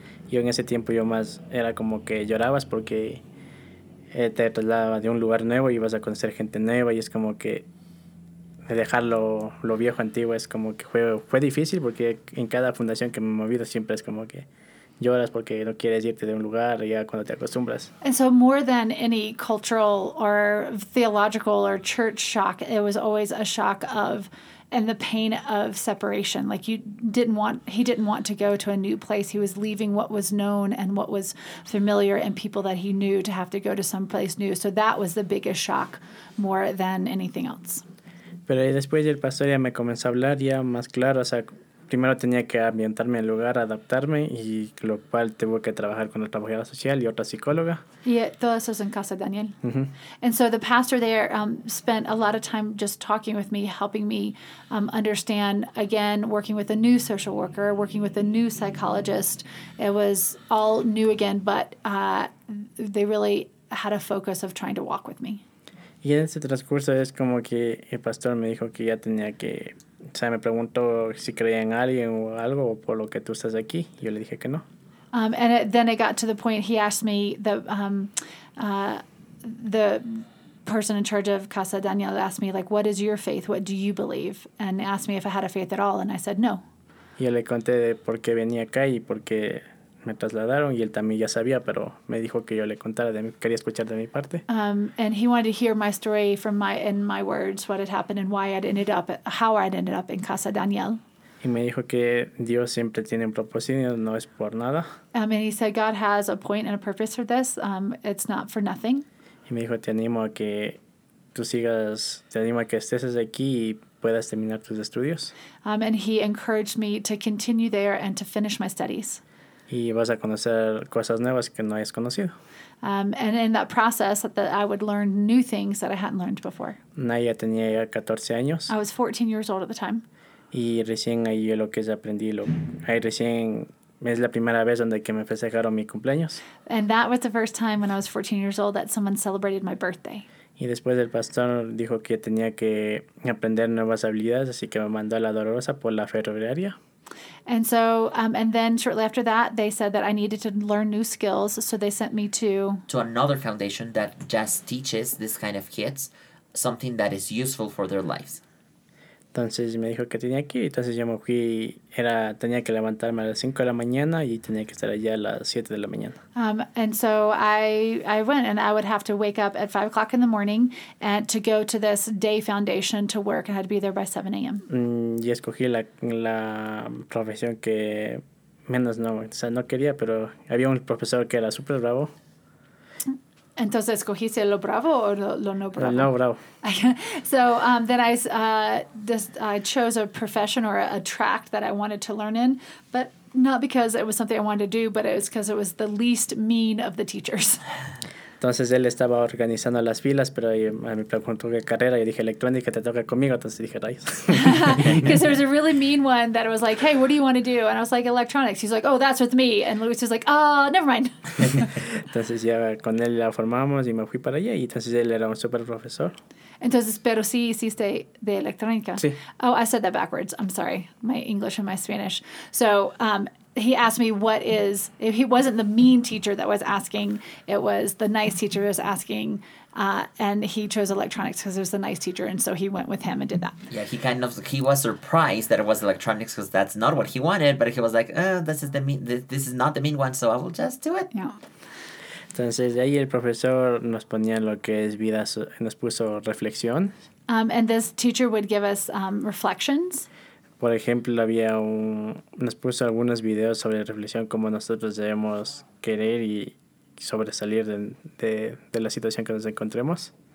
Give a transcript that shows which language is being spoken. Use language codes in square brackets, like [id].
[es] Yo en ese tiempo yo más era como que llorabas porque te trasladaba de un lugar nuevo y ibas a conocer gente nueva y es como que dejar lo viejo antiguo es como que fue difícil porque en cada fundación que me he movido siempre es como que lloras porque no quieres irte de un lugar ya cuando te acostumbras. [en] And so more than any cultural or theological or church shock, it was always a shock of and the pain of separation. Like he didn't want to go to a new place. He was leaving what was known and what was familiar and people that he knew to have to go to someplace new. So that was the biggest shock more than anything else. [es] Pero después el pastor ya me comenzó a hablar ya más claro, o sea, primero tenía que ambientarme al lugar, adaptarme, y lo cual tuve que trabajar con la trabajadora social y otra psicóloga. Yeah, todo eso es en casa, Daniel. Mm-hmm. [en] And so the pastor there spent a lot of time just talking with me, helping me understand, again, working with a new social worker, working with a new psychologist. It was all new again, but they really had a focus of trying to walk with me. [es] Y en ese transcurso es como que el pastor me dijo que ya tenía que... O sea, me preguntó si creía en alguien o algo o por lo que tú estás aquí. Yo le dije que no. [en] And then it got to the point he asked me, the person in charge of Casa Daniel asked me, like, what is your faith? What do you believe? And asked me if I had a faith at all, and I said no. [es] Yo le conté de por qué venía acá y por qué me trasladaron y él también ya sabía, pero me dijo que yo le contara de mí, quería escuchar de mi parte. [en] And he wanted to hear my story from my words, what had happened and why I'd ended up, how I'd ended up in Casa Daniel. [es] Y me dijo que Dios siempre tiene un propósito, no es por nada. [en] And he said God has a point and a purpose for this, it's not for nothing. [es] Y me dijo, te animo a que estés aquí y puedas terminar tus estudios. [en] And he encouraged me to continue there and to finish my studies. [es] Y vas a conocer cosas nuevas que no hayas conocido. [en] And in that process, that I would learn new things that I hadn't learned before. [es] Naya tenía 14 años. [en] I was 14 years old at the time. [es] Y recién ahí yo lo que aprendí, ahí recién es la primera vez donde que me festejaron mi cumpleaños. [en] And that was the first time when I was 14 years old that someone celebrated my birthday. [es] Y después el pastor dijo que tenía que aprender nuevas habilidades, así que me mandó a la Dolorosa por la ferroviaria. [en] And so, and then shortly after that, they said that I needed to learn new skills, so they sent me to... To another foundation that just teaches this kind of kids something that is useful for their lives. [es] Entonces me dijo que tenía que ir, entonces yo me fui, tenía que levantarme a las 5 de la mañana y tenía que estar allá a las 7 de la mañana. [en] And so I went and I would have to wake up at 5 o'clock in the morning and to go to this day foundation to work. I had to be there by 7 a.m. [es] Y escogí la profesión que menos no, o sea, no quería, pero había un profesor que era súper bravo. Entonces, ¿escogiste lo bravo o lo no bravo? No bravo. [en] So then I chose a profession or a track that I wanted to learn in, but Not because it was something I wanted to do, but it was because it was the least mean of the teachers. [es] Entonces él estaba organizando las filas, pero me preguntó qué carrera. Yo dije, electrónica, te toca conmigo. Entonces dije, rayos. [en] Because there was a really mean one that was like, hey, what do you want to do? And I was like, electronics. He's like, oh, that's with me. And Luis was like, oh, never mind. [es] Entonces ya con él la formamos y me fui para allá. Y entonces él era un super profesor. Entonces, pero sí hiciste de electrónica. Sí. [en] Oh, I said that backwards. I'm sorry. My English and my Spanish. So, he asked me what is, if he wasn't the mean teacher that was asking, it was the nice teacher who was asking, and he chose electronics because it was the nice teacher, and so he went with him and did that. Yeah, he kind of, he was surprised that it was electronics because that's not what he wanted, but he was like, oh, this is the mean, this is not the mean one, so I will just do it. Yeah. [es] Entonces, de ahí el profesor nos ponía lo que es vida, nos puso reflexión. [en] And this teacher would give us reflections. [es] Por ejemplo, había un, nos puso algunos videos sobre reflexión, cómo nosotros debemos querer y sobresalir de la situación que nos encontremos.